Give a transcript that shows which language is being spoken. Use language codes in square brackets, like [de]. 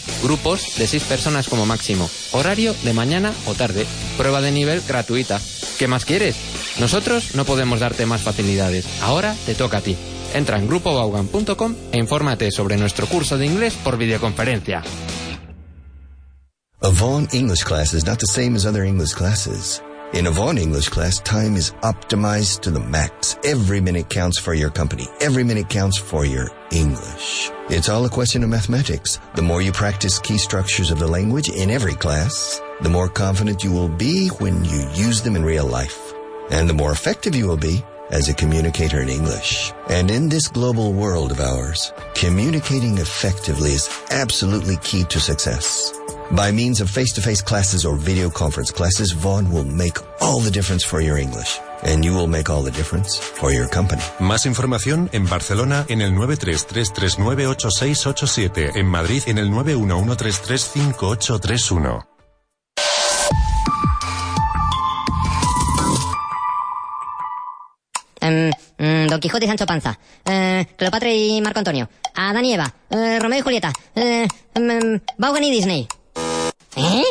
[es] Grupos de 6 personas como máximo. Horario de mañana o tarde. Prueba de nivel gratuita. ¿Qué más quieres? Nosotros no podemos darte más facilidades. Ahora te toca a ti. Entra en grupovaughan.com e infórmate sobre nuestro curso de inglés por videoconferencia. [en] A Vaughan English class is not the same as other English classes. In a Vaughan English class, time is optimized to the max. Every minute counts for your company. Every minute counts for your English. It's all a question of mathematics. The more you practice key structures of the language in every class, the more confident you will be when you use them in real life. And the more effective you will be as a communicator in English. And in this global world of ours, communicating effectively is absolutely key to success. By means of face-to-face classes or video conference classes, Vaughan will make all the difference for your English. And you will make all the difference for your company. [es] Más información en Barcelona en el 933398687. En Madrid en el 911335831. Don Quijote y Sancho Panza. Cleopatra y Marco Antonio. Adán y Eva. Romeo y Julieta. Vaughan y Disney. ¿Eh?